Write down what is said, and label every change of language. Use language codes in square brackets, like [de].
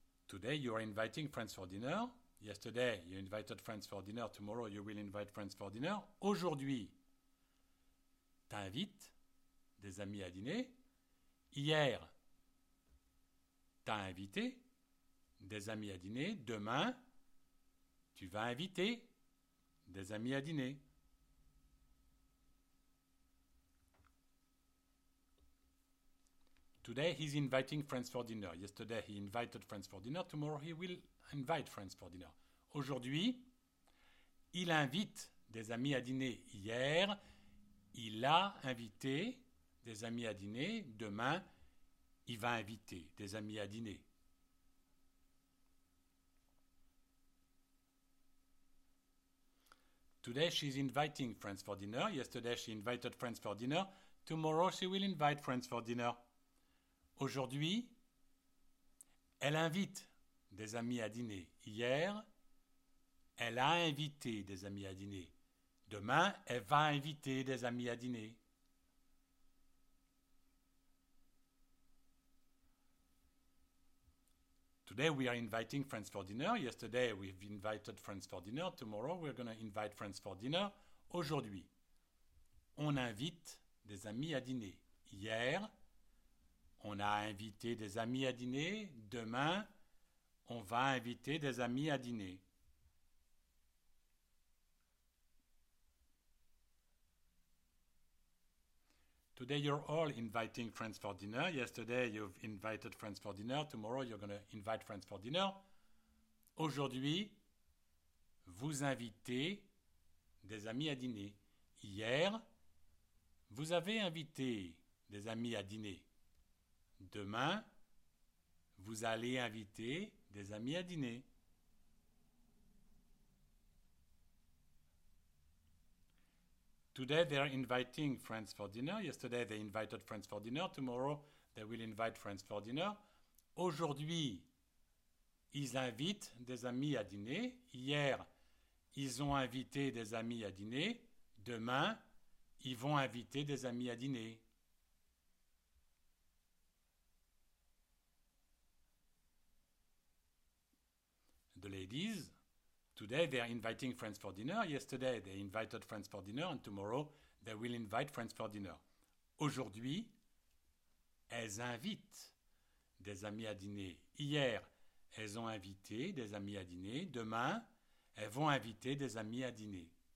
[en] Today, you are inviting friends for dinner. Yesterday, you invited friends for dinner. Tomorrow, you will invite friends for dinner. [fr] Aujourd'hui, t'invites des amis à dîner. Hier, t'as invité des amis à dîner. Demain, tu vas inviter des amis à dîner. [en] Today, he's inviting friends for dinner. Yesterday, he invited friends for dinner. Tomorrow, he will invite friends for dinner. [fr] Aujourd'hui, il invite des amis à dîner. Hier, il a invité des amis à dîner. Demain, il va inviter des amis à dîner. [en] Today, she's inviting friends for dinner. Yesterday, she invited friends for dinner. Tomorrow, she will invite friends for dinner. [fr] Aujourd'hui, elle invite des amis à dîner. Hier, elle a invité des amis à dîner. Demain, elle va inviter des amis à dîner. [en] Today, we are inviting friends for dinner. Yesterday, we've invited friends for dinner. Tomorrow, we're going to invite friends for dinner. [fr] Aujourd'hui, on invite des amis à dîner. Hier, on a invité des amis à dîner. Demain, on va inviter des amis à dîner. [en] Today you're all inviting friends for dinner. Yesterday you've invited friends for dinner. Tomorrow you're going to invite friends for dinner. [fr] Aujourd'hui, vous invitez des amis à dîner. Hier, vous avez invité des amis à dîner. Demain, vous allez inviter des amis à dîner. [en] Today they are inviting friends for dinner. Yesterday they invited friends for dinner. Tomorrow they will invite friends for dinner. [fr] Aujourd'hui, ils invitent des amis à dîner. Hier, ils ont invité des amis à dîner. Demain, ils vont inviter des amis à dîner. [en] The ladies. Today, they are inviting friends for dinner. Yesterday, they invited friends for dinner. And tomorrow, They will invite friends for dinner. [fr] Aujourd'hui, elles invitent des amis à dîner. Hier, elles ont invité des amis à dîner. Demain, elles vont inviter des amis à dîner.